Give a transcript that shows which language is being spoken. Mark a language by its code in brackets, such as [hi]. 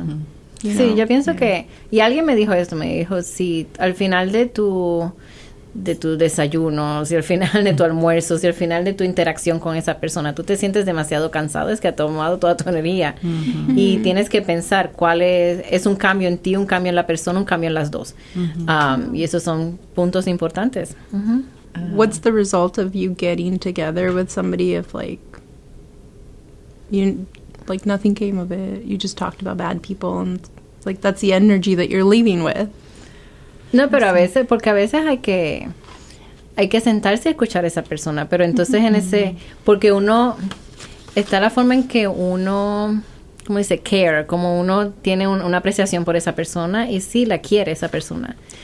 [es] Mm-hmm. Sí, yo pienso yeah. que, y alguien me dijo esto, me dijo, si al final de tu de tu desayuno, si al final de tu almuerzo, si al final de tu interacción con esa persona, tú te sientes demasiado cansado, es que ha tomado toda tu energía. Uh-huh. Y tienes que pensar cuál es un cambio en ti, un cambio en la persona, un cambio en las dos. Uh-huh. Y esos son puntos importantes. Uh-huh. [en] What's the result of you getting together with somebody if like, you, like nothing came of it, you just talked about bad people and like that's the energy that you're leaving with? [es] No, pero a veces, porque a veces hay que sentarse a escuchar a esa persona, pero entonces en ese, porque uno, está la forma en que uno, ¿cómo dice? Care, como uno tiene una apreciación por esa persona y sí la quiere esa persona.